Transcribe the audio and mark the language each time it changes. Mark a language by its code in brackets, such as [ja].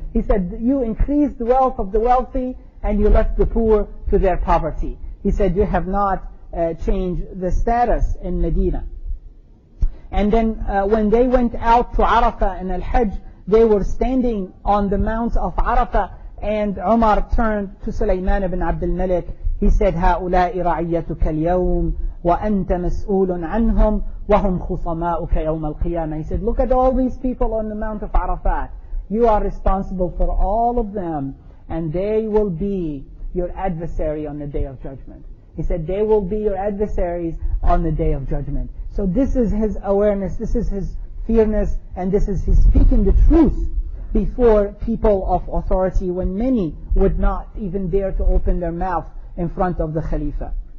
[en] He said, "You increased the wealth of the wealthy and you left the poor to their poverty." He said, "You have not changed the status in Medina." And then when they went out to Arafah and Al-Hajj, they were standing on the Mount of Arafah, and Umar turned to Sulaiman ibn Abdul Malik. He said, [ar] "هَؤُلَاءِ رَعِيَّتُكَ الْيَوْمِ وَأَنْتَ مَسْؤُولٌ عَنْهُمْ وَهُمْ خُصَمَاؤُكَ يَوْمَ الْقِيَامَةِ." [en] He said, "Look at all these people on the Mount of Arafat. You are responsible for all of them, and they will be your adversary on the Day of Judgment." He said, "They will be your adversaries on the Day of Judgment." So this is his awareness, this is his fearness, and this is his speaking the truth before people of authority when many would not even dare to open their mouth in front of the Khalifa.